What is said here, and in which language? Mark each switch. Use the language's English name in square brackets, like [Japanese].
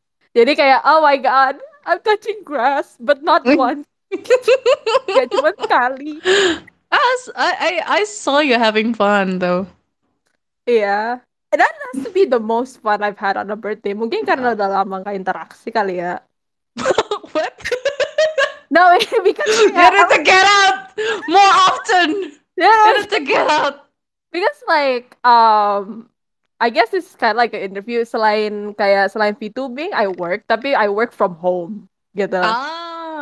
[Indonesian] Jadi kayak, [English] oh my God, I'm touching grass, but not once. [Indonesian] Gak cuma sekali. [English] I saw you having fun though. Yeah. That has to be the most fun I've had on a birthday. [Indonesian] Mungkin karena udah lama gak interaksi kali ya. [English] What? No, because we you need to get out more often. Yeah, you need to get out. Because like, I guess it's kind of like an interview. [Indonesian] Selain kayak selain VTubing, [English] I work. [Indonesian] Tapi [English] I work from home, [Indonesian] gitu. Ah,